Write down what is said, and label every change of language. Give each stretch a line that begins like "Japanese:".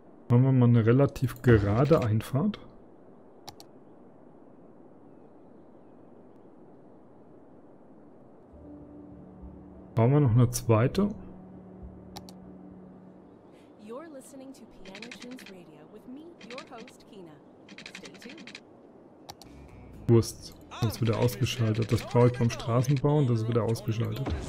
German: Machen wir mal eine relativ gerade Einfahrt. Bauen wir noch eine zweite.
English: You're listening to Piano Tunes Radio with me, your host Kina. Stay tuned.
German: Wurst, das ist wieder ausgeschaltet. Das brauche ich beim Straßenbau und das ist wieder ausgeschaltet.